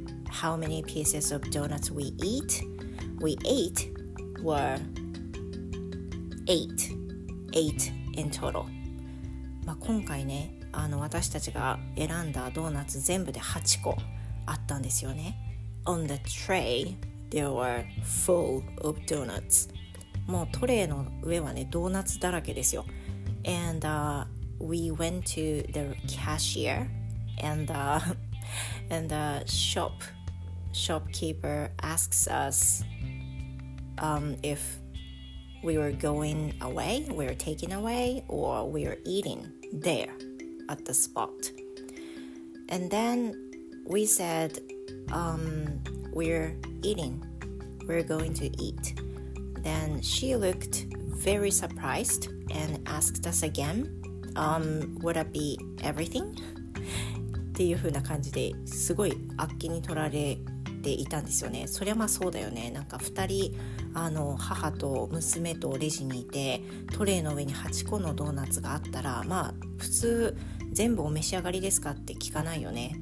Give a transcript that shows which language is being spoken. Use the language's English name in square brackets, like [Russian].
[English] How many pieces of donuts we eat? We ate were 8 in total. [Japanese] まあ今回ね、私たちが選んだドーナツ全部で8個あったんですよね。 [English] On the tray there were full of donuts. [Japanese] もうトレーの上はねドーナツだらけですよ。 [English] And we went to the cashier and the shopkeeper asks us if we were going away, we were taking away, or we were eating thereat the spot. And then we said, we're eating. We're going to eat. Then she looked very surprised and asked us again, would that be everything? [Japanese] っていう風な感じで、すごいあっけに取られていたんですよね。そりゃまあそうだよね。なんか二人、母と娘とレジにいて、トレイの上に8個のドーナツがあったら、まあ普通全部お召し上がりですかって聞かないよね。